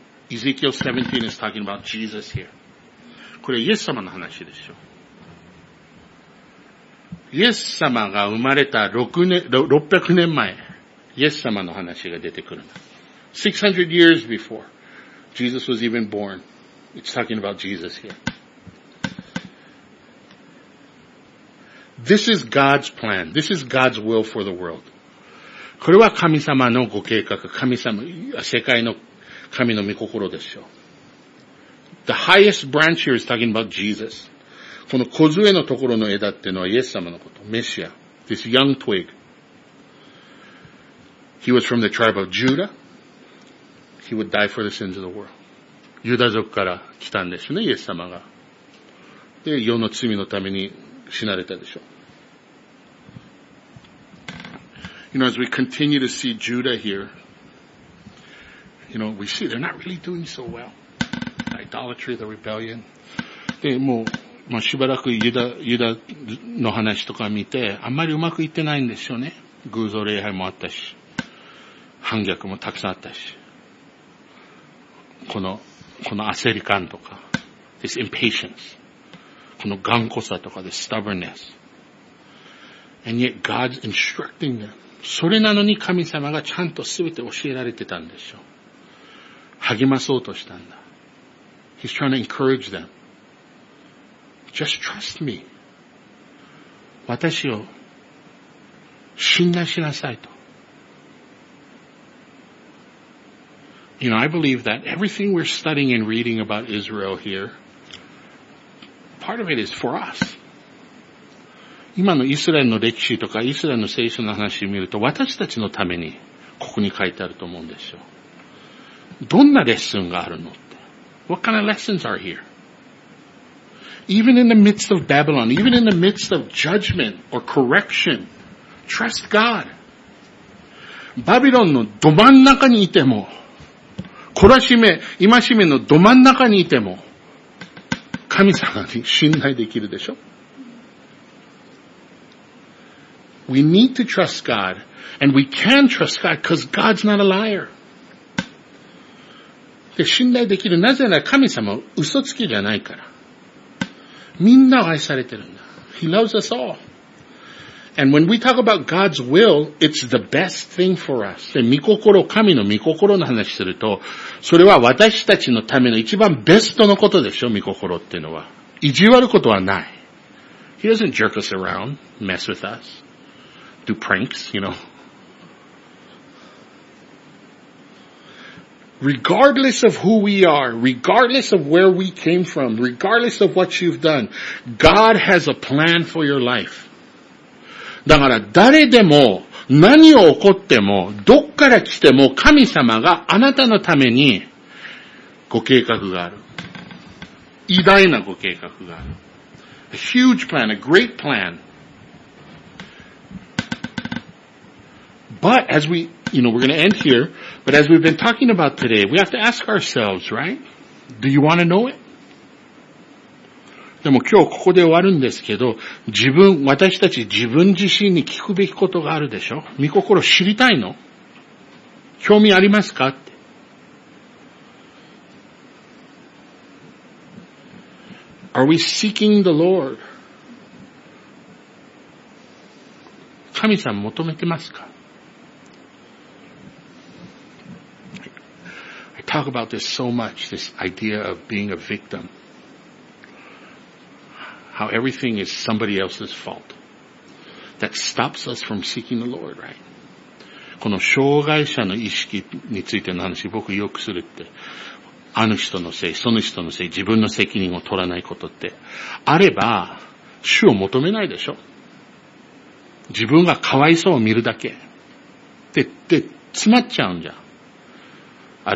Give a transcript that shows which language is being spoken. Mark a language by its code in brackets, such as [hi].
[en] Ezekiel 17 is talking about Jesus here. [ja] これイエス様の話でしょ。イエス様が生まれた600年前、イエス様の話が出てくる。 [en] 600 years before Jesus was even born, it's talking about Jesus here. This is God's plan. This is God's will for the world. [ja] これは神様のご計画、神様、世界の神の御心ですよ。 [en] The highest branch here is talking about Jesus. [ja] この小杖のところの枝っていうのはイエス様のこと。メシア。 [en] This young twig. He was from the tribe of Judah. He would die for the sins of the world. [ja] ユダ族から来たんですね、イエス様が。で、世の罪のために死なれたでしょう。 [en] You know, as we continue to see Judah here, you know, we see they're not really doing so well. The idolatry, the rebellion. [ja] で、もう、まあ、しばらくユダの話とか見て、あんまりうまくいってないんですよね。偶像礼拝もあったし、反逆もたくさんあったし。この焦り感とか、 [en] this impatience, [ja] この頑固さとか、 [en] this stubbornness. And yet God's instructing them. [ja] それなのに神様がちゃんとすべて教えられてたんでしょ。励まそうとしたんだ。 [en] He's trying to encourage them. Just trust me. [ja] 私を信頼しなさいと。 [en] You know, I believe that everything we're studying and reading about Israel here, part of it is for us. [ja] 今のイスラエルの歴史とかイスラエルの聖書の話を見ると、私たちのためにここに書いてあると思うんですよ。どんなレッスンがあるのって。 [en] What kind of lessons are here? Even in the midst of Babylon, even in the midst of judgment or correction, trust God. [ja] バビロンのど真ん中にいても、懲らしめ、今しめのど真ん中にいても、神様に信頼できるでしょ。 [en] We need to trust God, and we can trust God, because God's not a liar. [ja] で、信頼できる。なぜなら神様は嘘つきじゃないから。みんな愛されてるんだ。 [en] He loves us all. And when we talk about God's will, it's the best thing for us. [ja] で、御心、神の御心の話すると、それは私たちのための一番ベストのことでしょ、御心っていうのは。意地悪ることはない。 [en] He doesn't jerk us around, mess with us. Do pranks, you know. Regardless of who we are, regardless of where we came from, regardless of what you've done, God has a plan for your life. [ja] だから誰でも何を起こってもどっから来ても神様があなたのためにご計画がある。偉大なご計画がある。 [en] A huge plan, a great plan. But as we, you know, we're going to end here, but as we've been talking about today, we have to ask ourselves, right? Do you want to know it? [ja] でも今日ここで終わるんですけど、私たち自分自身に聞くべきことがあるでしょ？御心知りたいの？興味ありますか？って。 [en] Are we seeking the Lord? [ja] 神様求めてますか？ [en] Talk about this so much, this idea of being a victim. How everything is somebody else's fault. That stops us from seeking the Lord, right? [ja] この障害者の意識についての話、僕よくするって、あの人のせい、その人のせい、自分の責任を取らないことって、あれば、主を求めないでしょ。自分がかわいそうを見るだけ。で、詰まっちゃうんじゃん。